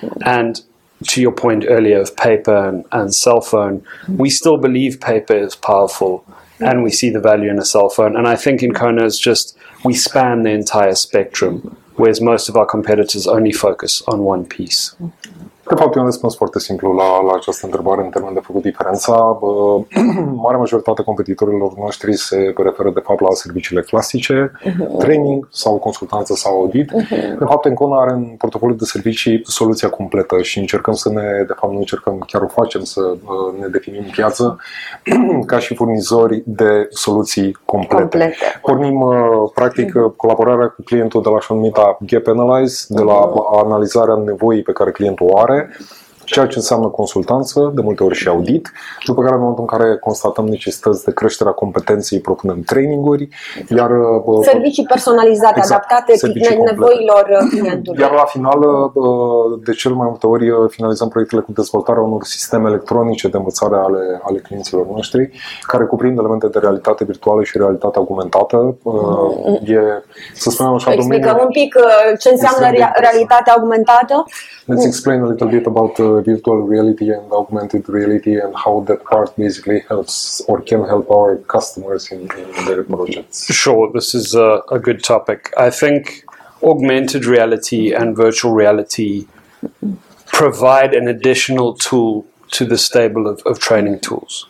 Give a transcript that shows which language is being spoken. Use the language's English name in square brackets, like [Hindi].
[English] And to your point earlier of paper and cell phone, we still believe paper is powerful, and we see the value in a cell phone. And I think Ancona is just, we span the entire spectrum, whereas most of our competitors only focus on one piece. [Romanian] De fapt, e un răspuns foarte simplu la această întrebare în termen de făcut diferența. Marea majoritate a competitorilor noștri se referă, de fapt, la serviciile clasice, training sau consultanță sau audit. De fapt, Ancona are în portofoliu de servicii soluția completă și încercăm să ne, de fapt, nu încercăm, chiar o facem să ne definim piață ca și furnizori de soluții complete. Pornim, practic, colaborarea cu clientul de la așa numita gap analyze, de la analizarea nevoii pe care clientul o are, ceea ce înseamnă consultanță, de multe ori și audit, după care în momentul în care constatăm necesități de creștere a competenței, propunem traininguri, iar servicii personalizate, exact, adaptate nevoilor clientului. Iar la final, de cel mai multe ori, finalizăm proiectele cu dezvoltarea unor sisteme electronice de învățare ale clienților noștri, care cuprind elemente de realitate virtuală și realitate augmentată. E, să spunem așa, explică un pic ce înseamnă realitate augmentată. [English] Let's explain a little bit about virtual reality and augmented reality and how that part basically helps or can help our customers in their projects. Sure, this is a good topic. I think augmented reality and virtual reality provide an additional tool to the stable of training tools.